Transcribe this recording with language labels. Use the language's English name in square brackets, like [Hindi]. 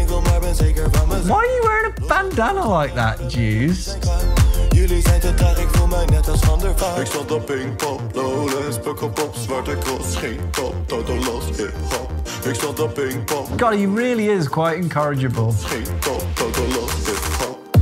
[English] Why are you wearing a bandana like that, Juice? [Dutch] Jullie zijn te traag, ik voel mij net als Van der Vaart. Ik zat op Pinkpop, Lowlands, Pukkelpop, Zwarte Kost, geen top, Toto Los, Hip Hop. Ik zat op Pinkpop. [English] God, he really is quite incorrigible. [Dutch] Geen top, Toto Los, Hip Hop.